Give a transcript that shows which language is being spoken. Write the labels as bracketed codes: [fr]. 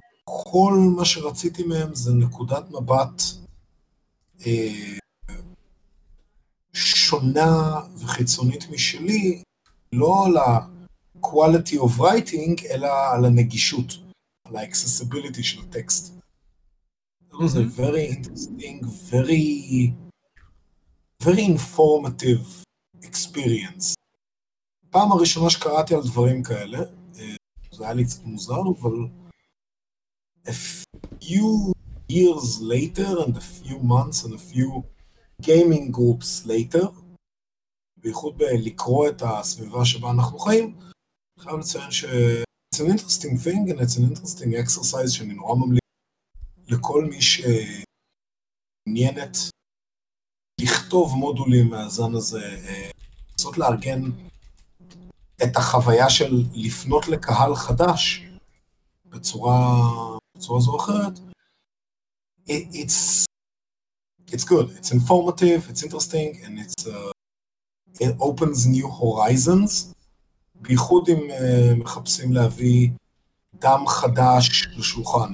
[he] כל מה שרציתי מהם זה נקודת מבט שונה וחיצונית משלי, לא על ה- [en] quality of writing, [he] אלא על הנגישות, על ה-accessibility של הטקסט. זה [en] very interesting, very informative experience. [he] פעם הראשונה שקראתי על דברים כאלה, זה היה לי קצת מוזר, אבל [en] a few years later and a few months and a few gaming groups later, [he] בייחוד בלקרוא את הסביבה שבה אנחנו חיים, אני חייב לציין ש [en] it's an interesting thing and it's an interesting exercise [he] שאני נורא ממליץ לכל מי שעניינת לכתוב מודולים מהזן הזה, לנסות לארגן את החוויה של לפנות לקהל חדש בצורה זו או אחרת. [en] It's good, it's informative, it's interesting, and it opens new horizons, [he] בייחוד אם מחפשים להביא דם חדש לשולחן.